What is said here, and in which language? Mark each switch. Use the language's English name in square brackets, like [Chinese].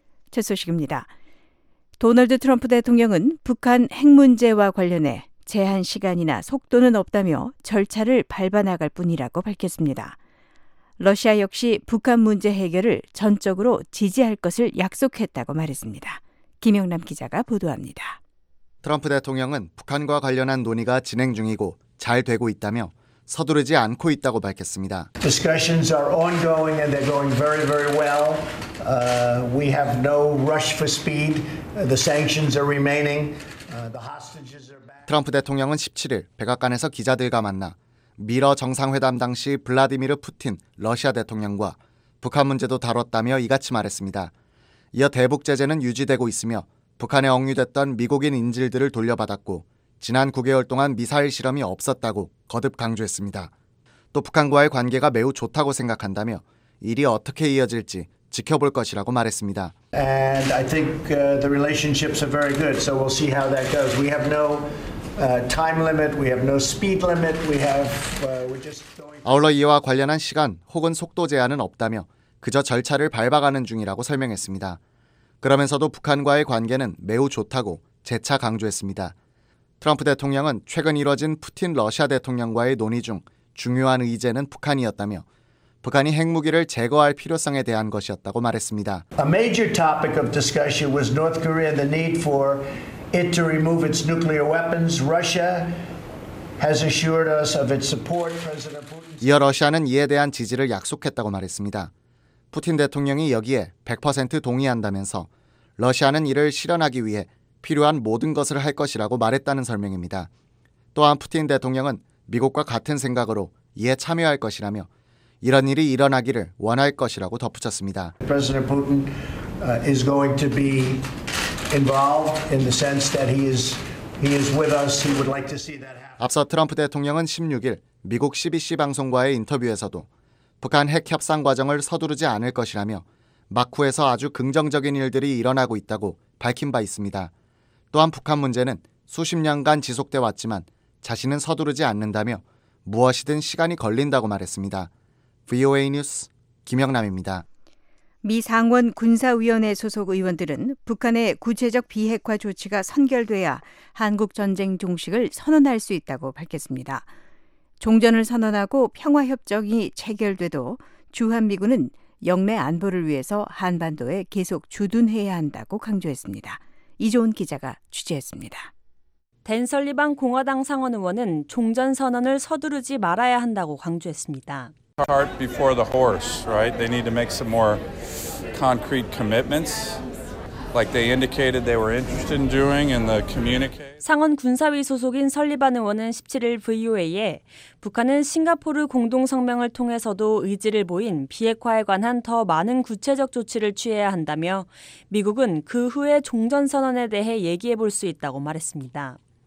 [Korean] 첫 소식입니다. 도널드 트럼프 대통령은 북한 핵 문제와 관련해 제한 시간이나 속도는 없다며 절차를 밟아 나갈 뿐이라고 밝혔습니다. 러시아 역시 북한 문제 해결을 전적으로 지지할 것을 약속했다고 말했습니다. 김영남 기자가 보도합니다. 트럼프 대통령은 북한과 관련한 논의가 진행 중이고 잘 되고 있다며 서두르지 않고 있다고 밝혔습니다. [English] Discussions are ongoing and they're going very, very well. We have no rush for speed. The sanctions are remaining. The hostages are back. [Korean] 트럼프 대통령은 17일 백악관에서 기자들과 만나 미러 정상회담 당시 블라디미르 푸틴 러시아 대통령과 북한 문제도 다뤘다며 이같이 말했습니다. 이어 대북 제재는 유지되고 있으며 북한에 억류됐던 미국인 인질들을 돌려받았고 지난 9개월 동안 미사일 실험이 없었다고 거듭 강조했습니다. 또 북한과의 관계가 매우 좋다고 생각한다며 일이 어떻게 이어질지 지켜볼 것이라고 말했습니다. [English] And I think the relationships are very good, so we'll see how that goes. We have no time limit, we have no speed limit, we have we're just going. [Korean] 아울러 이와 관련한 시간 혹은 속도 제한은 없다며 그저 절차를 밟아가는 중이라고 설명했습니다. 그러면서도 북한과의 관계는 매우 좋다고 재차 강조했습니다. 트럼프 대통령은 최근 이뤄진 푸틴 러시아 대통령과의 논의 중 중요한 의제는 북한이었다며 북한이 핵무기를 제거할 필요성에 대한 것이었다고 말했습니다. [English] A major topic of discussion was North Korea and the need for it to remove its nuclear weapons. Russia has assured us of its support. [Korean] 이어 러시아는 이에 대한 지지를 약속했다고 말했습니다. 푸틴 대통령이 여기에 100% 동의한다면서 러시아는 이를 실현하기 위해 필요한 모든 것을 할 것이라고 말했다는 설명입니다. 또한 푸틴 대통령은 미국과 같은 생각으로 이에 참여할 것이라며 이런 일이 일어나기를 원할 것이라고 덧붙였습니다. [English] President Putin is going to be involved in the sense that he is with us. He would like to see that happen. [Korean] 앞서 트럼프 대통령은 16일 미국 CBC 방송과의 인터뷰에서도 북한 핵 협상 과정을 서두르지 않을 것이라며 막후에서 아주 긍정적인 일들이 일어나고 있다고 밝힌 바 있습니다. 또한 북한 문제는 수십 년간 지속돼 왔지만 자신은 서두르지 않는다며 무엇이든 시간이 걸린다고 말했습니다. VOA 뉴스 김영남입니다. 미 상원 군사위원회 소속 의원들은 북한의 구체적 비핵화 조치가 선결돼야 한국 전쟁 종식을 선언할 수 있다고 밝혔습니다. 종전을 선언하고 평화협정이 체결돼도 주한미군은 영내 안보를 위해서 한반도에 계속 주둔해야 한다고 강조했습니다. 이조은 기자가 취재했습니다. 댄 설리반 공화당 상원 의원은 종전 선언을 서두르지 말아야 한다고 강조했습니다. [English] Cart before the horse, right? They need to make some more concrete commitments, like they indicated they were interested in doing in the communique. [Korean] 상원 군사위 소속인 설리반 의원은 17일 VOA에 북한은 싱가포르 공동 성명을 통해서도 의지를 보인 비핵화에 관한 더 많은 구체적 조치를 취해야 한다며 미국은 그 후에 종전 선언에 대해 얘기해 볼 수 있다고 말했습니다.